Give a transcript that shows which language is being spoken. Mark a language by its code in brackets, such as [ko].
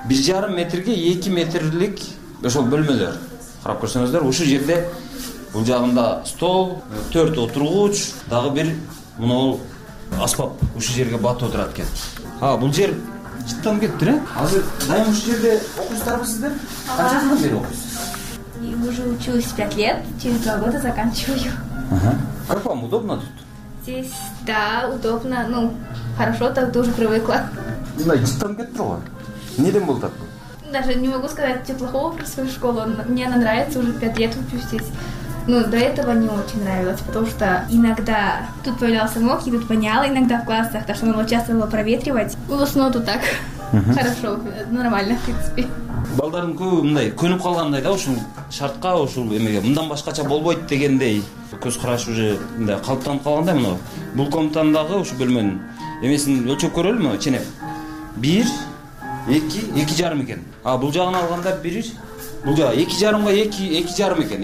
[ky] 1,5 метрге 2 метрлик ошол бөлмөлөр. Карап көрсөңүздөр, ушул жерде бул жагында стол, 4 отургуч, дагы бир муну аспап ушул жерге батып отурат экен. А бул жер жыттанып кеттир, э? Азыр дайым ушул жерде окуйсуздарбысыздар? Канча жылдан бери окуйсуз? [ru] Уже учусь 5 лет, через 2 года заканчиваю. Ага. Как вам, удобно тут? Здесь, да, удобно, ну, хорошо, так тоже привыкла. Ну, иди там где-то другое. Не дым был так? Даже не могу сказать ничего плохого про свою школу, мне она нравится, уже 5 лет учусь здесь. Ну, до этого не очень нравилось, потому что иногда тут появлялся мох, и тут воняло иногда в классах, так что надо часто было проветривать. У основном тут так. Хорошо, нормально, в принципе. [ky] Балдарын көбү мындай көнүп калгандай да ушул шартка, ушул эмеге мындан башкача болбойт дегендей көз караш уже мындай калыптанып калгандай, мына бул комнатандагы ушул бөлмөнүн эмесин өлчөп көрөлү, мына ченеп 1, 2, 2.5 экен. А бул жагын алганда 1, бул жагы 2.5га 2, 2.5 экен.